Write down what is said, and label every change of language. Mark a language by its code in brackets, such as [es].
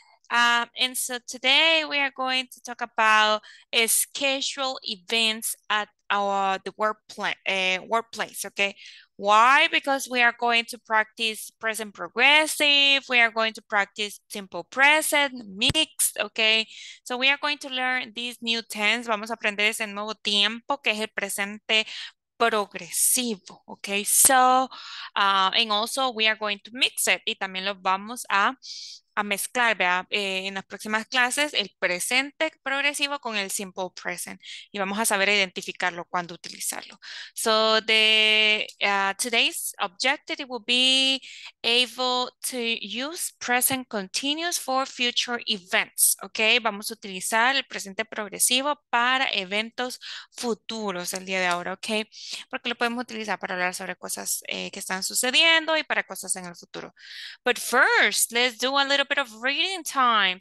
[en] And so today we are going to talk about schedule events at our workplace, okay? Why? Because we are going to practice present progressive, we are going to practice simple present, mixed, okay? So we are going to learn these new tense. [es] Vamos a aprender ese nuevo tiempo que es el presente progresivo, okay? [en] So, and also we are going to mix it y también lo vamos a mezclar, vea, en las próximas clases el presente progresivo con el simple present y vamos a saber identificarlo cuando utilizarlo. So the today's objective will be able to use present continuous for future events, okay? [es] Vamos a utilizar el presente progresivo para eventos futuros el día de ahora, okay? Porque lo podemos utilizar para hablar sobre cosas que están sucediendo y para cosas en el futuro. [en] But first, let's do a little bit of reading time.